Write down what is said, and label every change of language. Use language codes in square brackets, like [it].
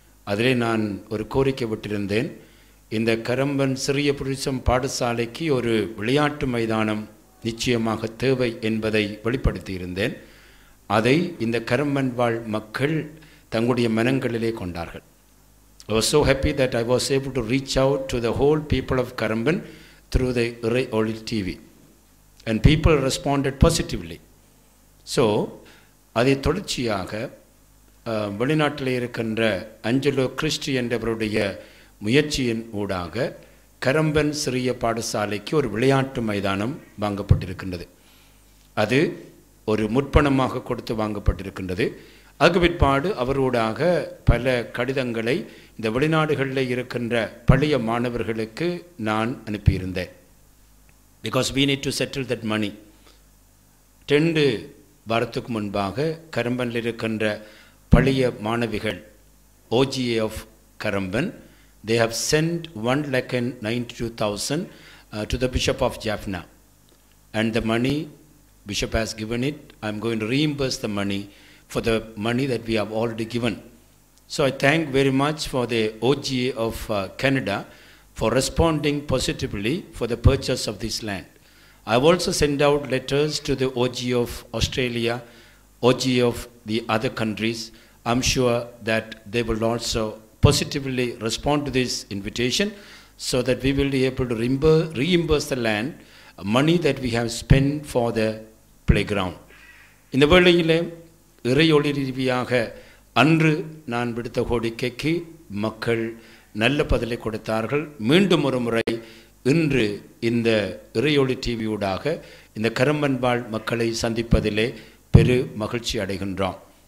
[ta] அதிலே நான் ஒரு கோரிக்கை விட்டிருந்தேன், இந்த கரம்பன் சிறிய புருஷம் பாடசாலைக்கு ஒரு விளையாட்டு மைதானம் நிச்சயமாக தேவை என்பதை வெளிப்படுத்தியிருந்தேன். அதை இந்த கரம்பன் வாழ் மக்கள் தங்களுடைய மனங்களிலே கொண்டார்கள். [en] I was so happy that I was able to reach out to the whole people of Karampon through the Irai Oli TV. And people responded positively. [ta] So, அதை தொடர்ச்சியாக வெளிநாட்டில் இருக்கின்ற அஞ்சலோ கிறிஸ்டி என்றவருடைய முயற்சியின் ஊடாக கரம்பன் சிறிய பாடசாலைக்கு ஒரு விளையாட்டு மைதானம் வாங்கப்பட்டிருக்கின்றது. அது ஒரு முற்பணமாக கொடுத்து வாங்கப்பட்டிருக்கின்றது. அது பிற்பாடு அவரோடாக பல கடிதங்களை இந்த வெளிநாடுகளில் இருக்கின்ற பழைய மாணவர்களுக்கு நான் அனுப்பியிருந்தேன். [en] Because we need to settle that money. [ta] 2 வாரத்துக்கு முன்பாக கரம்பனில் இருக்கின்ற பழைய மாணவிகள், [en] OGA of Karampan, they have sent 1,92,000 to the bishop of Jaffna and the money bishop has given it. I am going to reimburse the money for the money that we have already given. So I thank very much for the OGA of Canada for responding positively for the purchase of this land. I have also sent out letters to the OGA of Australia, OGA of the other countries. I'm sure that they will also positively respond to this invitation so that we will be able to reimburse the land, money that we have spent for the playground. In the world, [ta] இறையொளி ரீதியாக அன்று நான் விடுத்த கோரிக்கைக்கு மக்கள் நல்ல பதிலை கொடுத்தார்கள். மீண்டும் ஒரு முறை இன்று இந்த இறையொளி டிவியூடாக இந்த கரம்பன் வாழ் மக்களை சந்திப்பதிலே பெரு மகிழ்ச்சி அடைகின்றோம்.